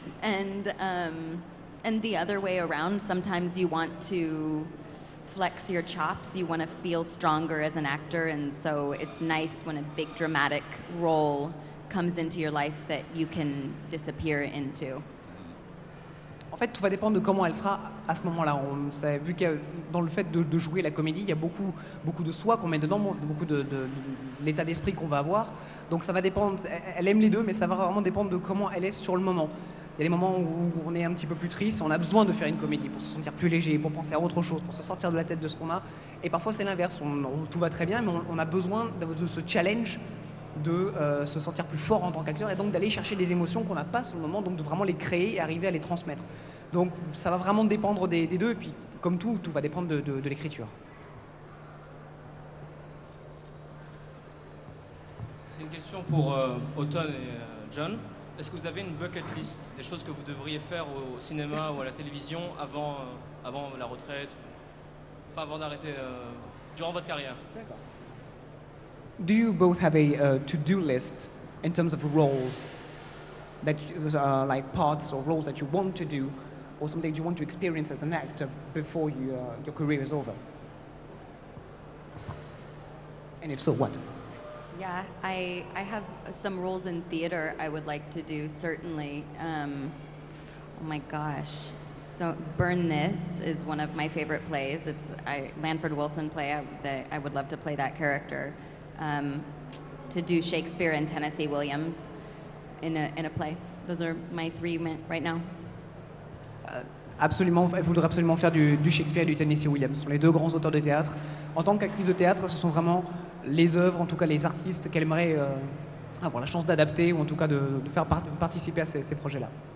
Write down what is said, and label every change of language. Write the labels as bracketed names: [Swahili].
[English] And the other way around, sometimes you want to flex your chops. You want to feel stronger as an actor. And so it's nice when a big dramatic role comes into your life that you can disappear into. [French] En fait, tout va dépendre de comment elle sera à ce moment-là. Vu que dans le fait de jouer la comédie, il y a beaucoup, beaucoup de soi qu'on met dedans, beaucoup de l'état d'esprit qu'on va avoir. Donc ça va dépendre, elle aime les deux, mais ça va vraiment dépendre de comment elle est sur le moment. Il y a des moments où on est un petit peu plus triste, on a besoin de faire une comédie pour se sentir plus léger, pour penser à autre chose, pour se sortir de la tête de ce qu'on a. Et parfois c'est l'inverse, tout va très bien, mais on a besoin de ce challenge, de se sentir plus fort en tant qu'acteur et donc d'aller chercher des émotions qu'on n'a pas sur le moment, donc de vraiment les créer et arriver à les transmettre. Donc ça va vraiment dépendre des deux, et puis comme tout va dépendre de l'écriture. C'est une question pour Autumn et John. Est-ce que vous avez une bucket list, des choses que vous devriez faire au cinéma ou à la télévision avant la retraite, enfin avant d'arrêter, durant votre carrière? D'accord. [English] Do you both have a to-do list in terms of roles that are like parts or roles that you want to do or something that you want to experience as an actor before you, your career is over? And if so, what? Yeah, I have some roles in theater I would like to do, certainly. Oh my gosh. So Burn This is one of my favorite plays. It's a Lanford Wilson play. I would love to play that character. To do Shakespeare and Tennessee Williams in a play. Those are my three right now. [French] Absolument, elle voudrait absolument faire du Shakespeare et du Tennessee Williams. Ce sont les deux grands auteurs de théâtre. En tant qu'actrice de théâtre, ce sont vraiment les œuvres, en tout cas les artistes, qu'elle aimerait avoir la chance d'adapter ou en tout cas de faire participer à ces projets-là.